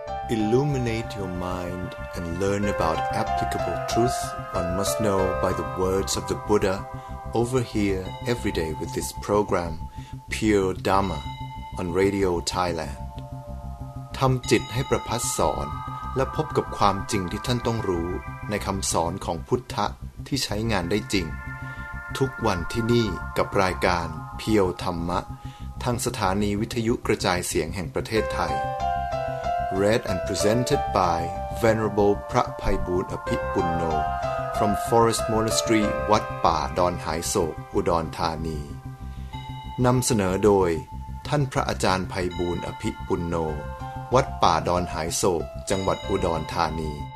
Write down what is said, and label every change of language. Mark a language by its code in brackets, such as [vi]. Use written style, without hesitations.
[en] Illuminate your mind and learn about applicable truth one must know by the words of the Buddha over here every day with this program Pure Dharma on Radio Thailand [th] ทำจิตให้ประพัสสอนและพบกับความจริงที่ท่านต้องรู้ในคำสอนของพุทธะที่ใช้งานได้จริงทุกวันที่นี่กับรายการ Pure Dharma ทางสถานีวิทยุกระจายเสียงแห่งประเทศไทย [en] read and presented by Venerable Pra Paibun Apipunno from Forest Monastery Wat Pa Don Hai Sok, Udon Thani. [th] นำเสนอโดยท่านพระอาจารย์ไพบูลย์อภิปุณโญวัดป่าดอนหายโศกจังหวัดอุดรธานี